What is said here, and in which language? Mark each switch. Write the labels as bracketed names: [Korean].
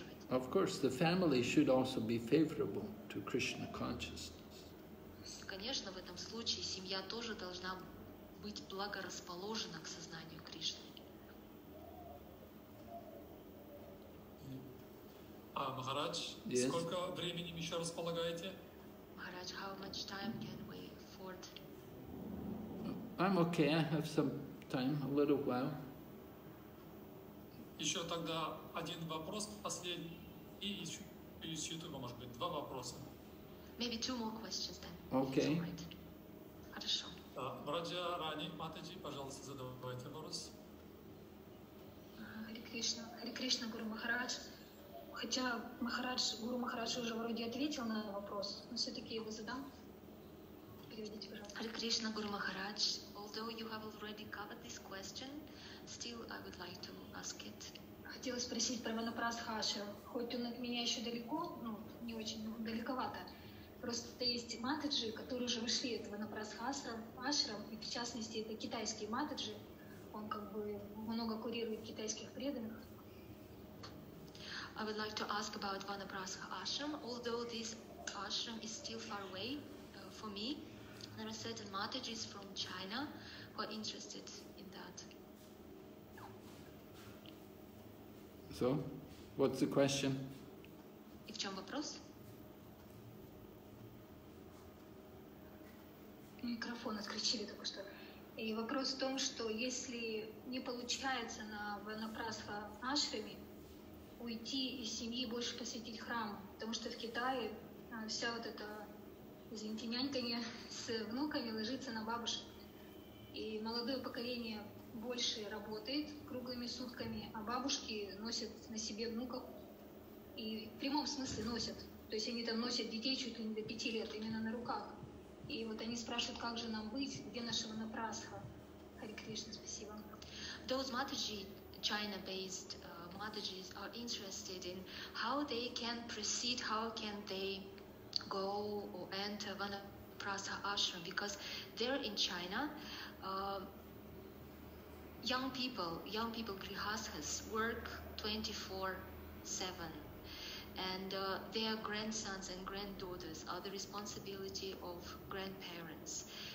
[English] Of course, the family should also be favorable to Krishna consciousness. [Russian] Конечно, в этом случае семья тоже должна быть благорасположена к сознанию Кришны. Махарадж, сколько времени еще располагаете? [English] Махарадж, how much time can we afford? I'm okay. I have some time, a little while. [Russian] Еще тогда один вопрос последний и из YouTube, может быть, два вопроса. [English] Maybe two more questions then. Okay. [Russian] Хорошо. Браджа Рани Матаджи, пожалуйста, задавайте вопрос. Хари Кришна, Гуру Махарадж. Хотя Гуру Махарадж уже вроде ответил на вопрос, но все-таки его задам. Переведите, пожалуйста. Хари Кришна, Гуру Махарадж. [English] Although you have already covered this question, still I would like to ask it. [Russian] Хотелось спросить про Ванапрастха Ашрам. Хоть он от меня еще далеко, ну, не очень, но далековато. Просто есть матаджи, которые уже вышли от Ванапрастха Ашрам, и в частности это китайские матаджи. Он как бы много курирует китайских преданных. [English] I would like to ask about Ванапрастха Ашрам. Although this ashram is still far away for me, there are certain matajis from China who are interested in that. So, what's the question? [Russian] И в чем вопрос? Микрофон отключили только что. И вопрос в том, что если не получается на Ванапрастха Ашраме уйти из семьи и больше посетить храм, потому что в Китае вся вот эта, извините, нянькание с внуками ложится на бабушек. И молодое поколение больше работает круглыми сутками, а бабушки носят на себе внуков. И в прямом смысле носят. То есть они там носят детей чуть ли не до 5 лет, именно на руках. И вот они спрашивают, как же нам быть, где наша Ванапрастха. Хари Кришна, спасибо. [English] Those Mataji, China-based Matajis, are interested in how they can proceed, how can they go or enter Vanaprastha Ashram, because there in China, young people, Grihasthas, work 24/7, and their grandsons and granddaughters are the responsibility of grandparents.